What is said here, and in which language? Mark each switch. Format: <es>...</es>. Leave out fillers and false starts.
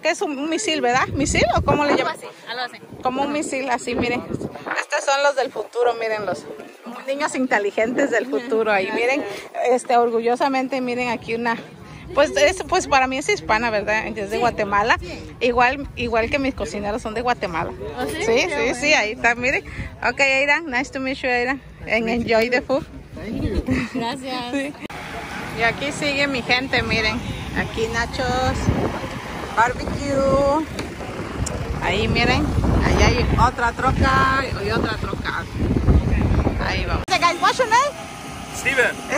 <es>¿Qué es un misil, verdad? ¿Misil o cómo le llaman? Como un misil, así, miren. Estos son los del futuro, mírenlos. Niños inteligentes del futuro, ahí miren, orgullosamente miren aquí una, pues para mí es hispana, ¿verdad? Es de Guatemala, igual que mis cocineros son de Guatemala. Sí, sí, sí, ahí está, miren.</es> <en>Ok, Aidan, nice to meet you, Aidan, and enjoy the food.</en> <es>Gracias. Y aquí sigue mi gente, miren, aquí nachos, barbecue, ahí miren, allá hay otra troca y otra troca. Ahí vamos. ¿Qué es tu nombre? Steven.</es>